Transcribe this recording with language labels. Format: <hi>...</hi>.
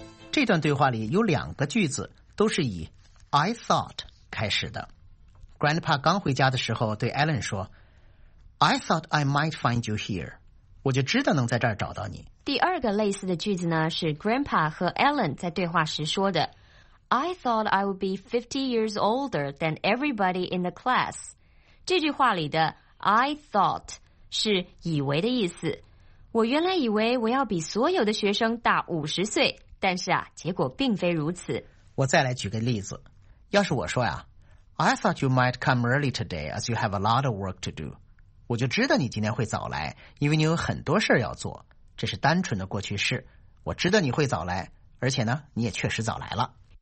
<zh>这段对话里有两个句子都是以 I thought 开始的。 Grandpa 刚回家的时候对 Ellen 说</zh> <en>I thought I might find you here，</en> <zh>我就知道能在这儿找到你。第二个类似的句子呢，是 Grandpa 和 Ellen 在对话时说的。</zh> <en>I thought I would be 50 years older than everybody in the class。</en> <zh>这句话里的 I thought 是以为的意思，我原来以为我要比所有的学生大50岁，但是啊，结果并非如此。我再来举个例子，要是我说呀 ，</zh> <en>I thought you might come early today as you have a lot of work to do，</en> <zh>我就知道你今天会早来，因为你有很多事要做。这是单纯的过去式，我知道你会早来，而且呢，你也确实早来了。</zh>